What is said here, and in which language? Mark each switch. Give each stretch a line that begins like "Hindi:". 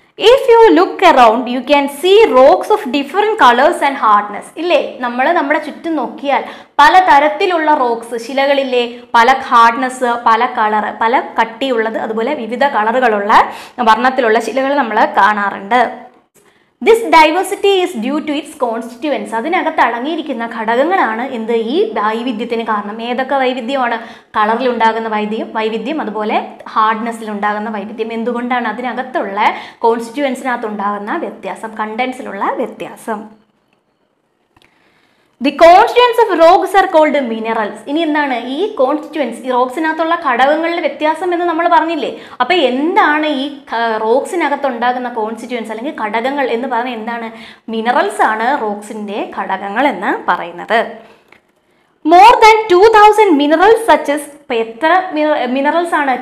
English: If you look around you can see rocks of different colours and hardness ഇല്ലേ.
Malayalam: നമ്മൾ നമ്മുടെ ചുറ്റും നോക്കിയാൽ പല തരത്തിലുള്ള റോക്സ് ശിലകളില്ലേ പല ഹാർഡ്നെസ് പല കളർ പല കട്ടിയുള്ളത് അതുപോലെ വിവിധ കളറുകളുള്ള വർണ്ണത്തിലുള്ള ശിലകൾ നമ്മൾ കാണാറുണ്ട്.
English: This diversity is due to its constituents.
Malayalam: അതിനകത്ത് അടങ്ങിയിരിക്കുന്ന ഘടകങ്ങളാണ് എന്ത് ഈ വൈവിധ്യത്തിന് കാരണം. ഏതൊക്കെ വൈവിധ്യമാണ്? കളറിൽ ഉണ്ടാകുന്ന വൈവിധ്യം, അതുപോലെ ഹാർഡ്നെസ്സിൽ ഉണ്ടാകുന്ന വൈവിധ്യം. എന്തുകൊണ്ടാണ് അതിനകത്തുള്ള കോൺസ്റ്റിറ്റ്യുവൻസിനകത്ത് ഉണ്ടാകുന്ന വ്യത്യാസം, കണ്ടൻസിലുള്ള വ്യത്യാസം?
English: The constituents of rocks are called minerals.
Malayalam: ഇനി എന്താണ് ഈ കോൺസ്റ്റിറ്റ്യുവൻസ്, ഈ റോക്സിനകത്തുള്ള ഘടകങ്ങളുടെ വ്യത്യാസം എന്ന് നമ്മൾ പറഞ്ഞില്ലേ? അപ്പൊ എന്താണ് ഈ റോക്സിനകത്ത് ഉണ്ടാകുന്ന കോൺസ്റ്റിറ്റ്യുവൻസ് അല്ലെങ്കിൽ ഘടകങ്ങൾ എന്ന് പറഞ്ഞാൽ എന്താണ്? മിനറൽസ് ആണ് റോക്സിന്റെ ഘടകങ്ങൾ എന്ന് പറയുന്നത്.
English: more than 2000 minerals such as,
Malayalam: ഇപ്പൊ എത്ര മിനറൽസ് ആണ്?